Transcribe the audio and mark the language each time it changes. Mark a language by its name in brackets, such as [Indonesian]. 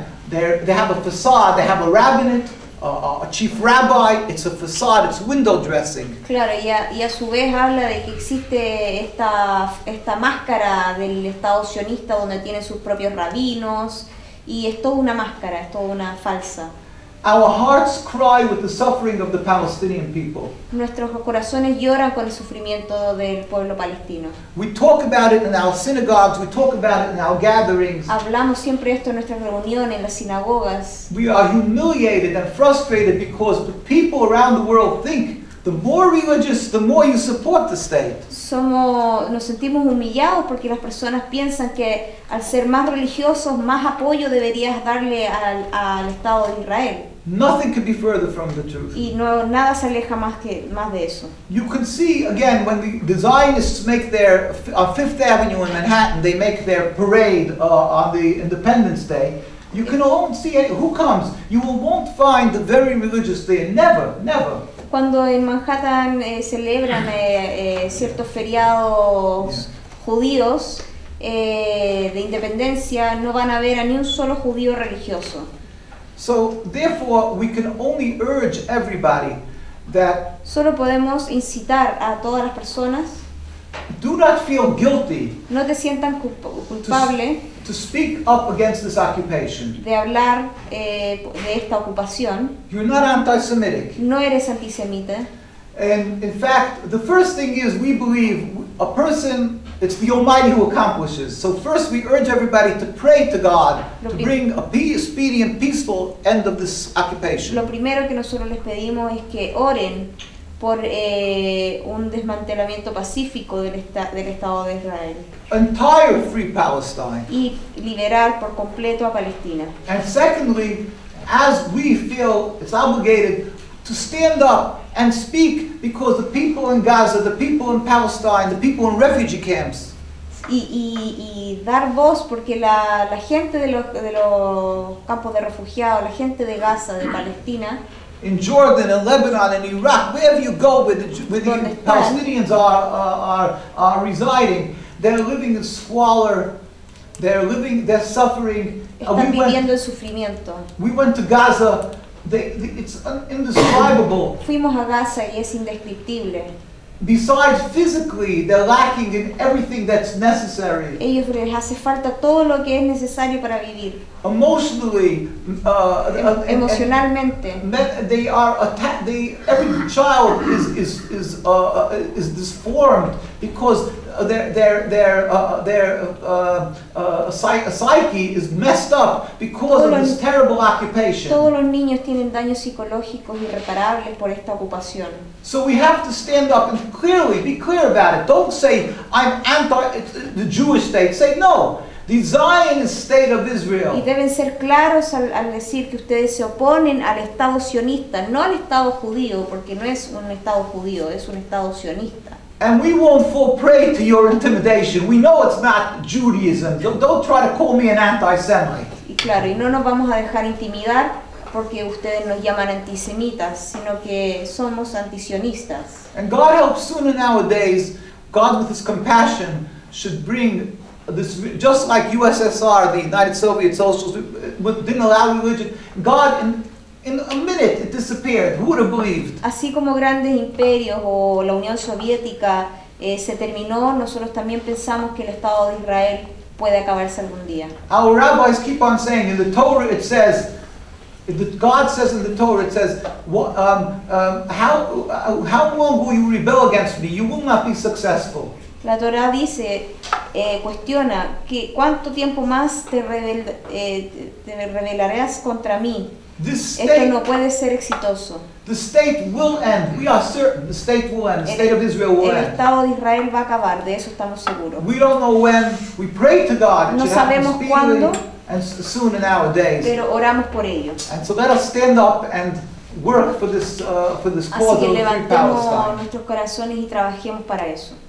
[English] They have a facade, they have a rabbinate, a chief rabbi, it's a facade, it's window dressing. [Spanish] Claro, y a su vez habla de que existe esta máscara del Estado sionista donde tienen sus propios rabinos y es toda una máscara, es toda una falsa. [English] Our hearts cry with the suffering of the Palestinian people. [Spanish] Nuestros corazones lloran con el sufrimiento del pueblo palestino. [English] We talk about it in our synagogues, we talk about it in our gatherings. [Spanish] Hablamos siempre esto en nuestras reuniones, en las sinagogas. [English] We are humiliated and frustrated because the people around the world think the more religious, the more you support the state. [Spanish] Nos sentimos humillados porque las personas piensan que al ser más religiosos, más apoyo deberías darle al Estado de Israel. [English] Nothing could be further from the truth. [Spanish] Y no, nada se aleja más de eso. [English] You can see again when the Zionists make their Fifth Avenue in Manhattan, they make their parade on the Independence Day. You can all see who comes. You won't find the very religious there. Never, never. [Spanish] Cuando en Manhattan celebran ciertos feriados judíos de independencia, no van a ver a ni un solo judío religioso. [English] So, therefore, we can only urge everybody that [Spanish] solo podemos incitar a todas las personas. [English] Do not feel guilty. [Spanish] No te sientan culpable. [English] To speak up against this occupation. [Spanish] De hablar de esta ocupación. [English] You're not anti-Semitic. [Spanish] No eres antisemita. [English] And in fact, the first thing is we believe a person, it's the Almighty who accomplishes. So first we urge everybody to pray to God to bring a speedy and peaceful end of this occupation. [Spanish] Lo primero que nosotros les pedimos es que oren por un desmantelamiento pacífico del Estado de Israel. [English] Entire free Palestine. [Spanish] Y liberar por completo a Palestina. [English] And secondly, as we feel it's obligated to stand up and speak because the people in Gaza, the people in Palestine, the people in refugee camps. [Spanish] Y dar voz porque la gente de los campos de refugiados, la gente de Gaza, de Palestina. [English] In Jordan, in Lebanon, in Iraq, wherever you go where the Palestinians are residing, they're living in squalor, they're suffering. [Spanish] Están viviendo el sufrimiento. [English] We went to Gaza, it's indescribable. [Spanish] Fuimos a Gaza y es indescriptible. [English] Besides physically, they're lacking in everything that's necessary. [Spanish] Ellos les hace falta todo lo que es necesario para vivir. [English] Emotionally, [Spanish] emocionalmente, [English] they are attacked. Every child is deformed because their psyche is messed up because of this terrible occupation. [Spanish] Todos los niños tienen daños psicológicos irreparables por esta ocupación. [English] So we have to stand up and clearly be clear about it. Don't say I'm anti the Jewish state. Say no. The Zionist state of Israel. [Spanish] Y deben ser claros al decir que ustedes se oponen al Estado sionista, no al Estado judío, porque no es un Estado judío, es un Estado sionista. [English] And we won't fall prey to your intimidation. We know it's not Judaism. Don't try to call me an anti-Semite. [Spanish] Y claro, y no nos vamos a dejar intimidar porque ustedes nos llaman antisemitas, sino que somos antisionistas. [English] And God helps sooner nowadays, God with his compassion should bring this, just like USSR, the United Soviet Socialists, didn't allow religion. God, in a minute, it disappeared. Who would have believed? [Spanish] Así como grandes imperios o la Unión Soviética se terminó, nosotros también pensamos que el Estado de Israel puede acabarse algún día. [English] Our rabbis keep on saying, in the Torah it says, God says in the Torah, it says, how long will you rebel against me? You will not be successful. [Spanish] La Torah dice, cuestiona, que ¿cuánto tiempo más te rebelarás contra mí? Esto no puede ser exitoso. [English] The state will end. We are certain the state will end. The state of Israel will end. [Spanish] El Estado de Israel va a acabar, de eso estamos seguros. [English] We don't know when. We pray to God. [Spanish] No sabemos cuándo. [English] And soon in our days. [Spanish] Pero oramos por ello. [English] And so let us stand up and work for this cause of Palestine. [Spanish] Así que levantemos nuestros corazones y trabajemos para eso.